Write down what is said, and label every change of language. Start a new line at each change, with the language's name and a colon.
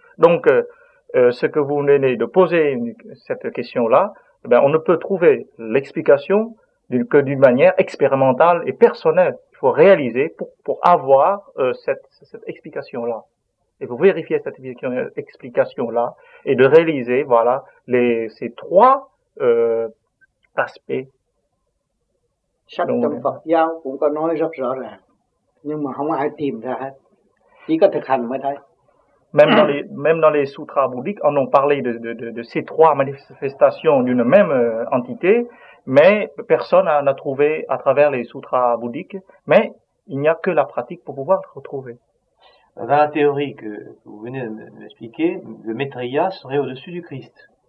French: Donc, ce que vous venez de poser, cette question-là, eh bien, on ne peut trouver l'explication que d'une manière expérimentale et personnelle. Il faut réaliser pour avoir cette explication-là. Et vous vérifiez cette explication-là et de réaliser, voilà, ces trois aspects.
Vietnamese: Sách trong Phật giáo cũng có nói rất rõ ràng, nhưng mà không ai tìm ra hết, chỉ có thực hành mới thấy.
French: Même dans les sutras bouddhiques, on en parlait de ces trois manifestations d'une même entité, mais personne n'a trouvé à travers les sutras bouddhiques, mais il n'y a que la pratique pour pouvoir le retrouver. Dans la théorie que vous venez de m'expliquer, le Maitreya serait au-dessus du Christ.